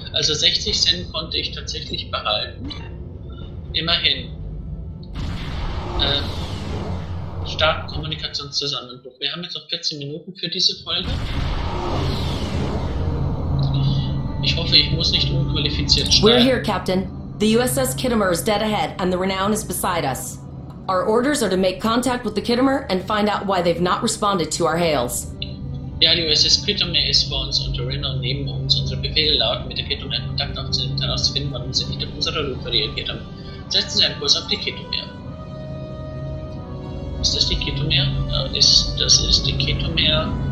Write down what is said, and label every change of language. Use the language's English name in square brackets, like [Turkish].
[German] Also 60 Cent konnte ich tatsächlich behalten. Immerhin. Start Kommunikationszusammenbruch. Wir haben jetzt noch 14 Minuten für diese Folge. Ich hoffe, ich muss nicht unqualifiziert starten. [English] We're here, Captain. The USS Kittimer is dead ahead and the Renown is beside us. Our orders are to make contact with the Kittimer and find out why they've not responded to our hails. [German] Ja, die USS Kittimer ist vor uns und der Renown neben uns. Unsere Befehle lauten, mit der Kittimer Kontakt aufzunehmen und herauszufinden, warum sie nicht auf unsere Rufe reagiert haben. Setzen Sie einen Kurs auf die Kittimer. Ist das die Kittimer? Das ist die Kittimer.